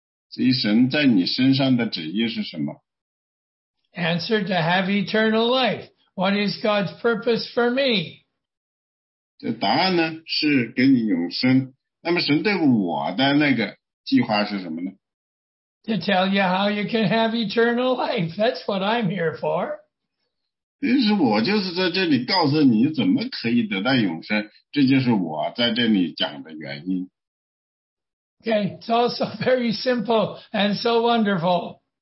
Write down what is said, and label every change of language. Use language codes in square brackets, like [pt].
[zh] 所以神在你身上的旨意是什么? [en] Answer, to have eternal life. What is God's purpose for me? [zh] 这答案呢，是给你永生。那么神对我的那个计划是什么呢? [en] To tell you how you can have eternal life. That's what I'm here for. [zh] 其实我就是在这里告诉你怎么可以得到永生，这就是我在这里讲的原因。 [en] Okay, it's also very simple and so wonderful.